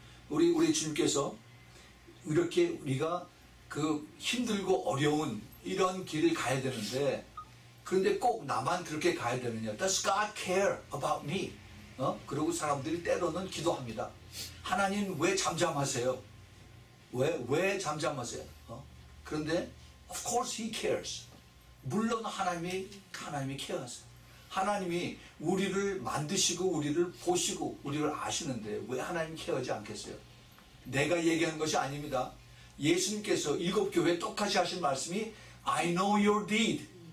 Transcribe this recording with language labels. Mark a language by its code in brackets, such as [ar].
[ko] 우리 주님께서 이렇게 우리가 그 힘들고 어려운 이런 길을 가야 되는데 그런데 꼭 나만 그렇게 가야 되느냐? [en] Does God care about me? [ko] 그리고 사람들이 때로는 기도합니다. 하나님 왜 잠잠하세요? 왜 잠잠하세요? 그런데 [en] of course he cares. [ko] 물론 하나님이 care하세요. 하나님이 우리를 만드시고 우리를 보시고 우리를 아시는데 왜 하나님 care하지 않겠어요? 내가 얘기하는 것이 아닙니다. 예수님께서 일곱 교회에 똑같이 하신 말씀이 [en] I know your deed.